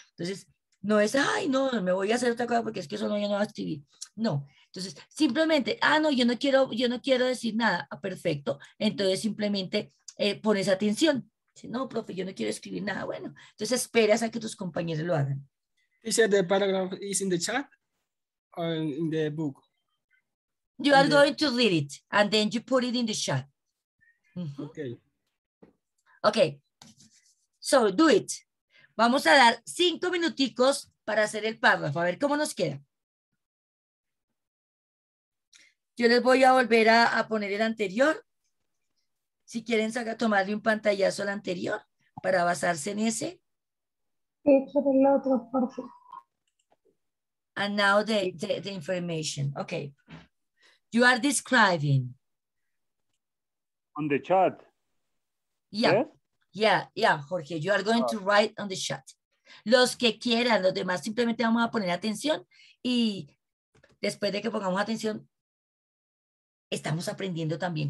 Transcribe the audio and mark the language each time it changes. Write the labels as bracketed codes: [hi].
[es] Entonces, no es, ay, no, me voy a hacer otra cosa porque es que eso no, yo no voy a escribir. No. Entonces, simplemente, yo no quiero decir nada. Ah, perfecto. Entonces, simplemente pones atención. Dice, no, profe, yo no quiero escribir nada. Bueno, entonces esperas a que tus compañeros lo hagan. [en] Dice, the paragraph is in the chat or in the book. You are going to read it and then you put it in the chat. Mm-hmm. Okay. So, do it. [es] Vamos a dar 5 minuticos para hacer el párrafo, a ver cómo nos queda. Yo les voy a volver a poner el anterior. Si quieren, saca, tomarle un pantallazo al anterior para basarse en ese. Hecho del otro, por favor. [en] And now the information. Okay. You are describing. On the chat. Yeah. Yes? Yeah, Jorge, you are going to write on the chat. [es] Los que quieran, los demás, simplemente vamos a poner atención y después de que pongamos atención, estamos aprendiendo también.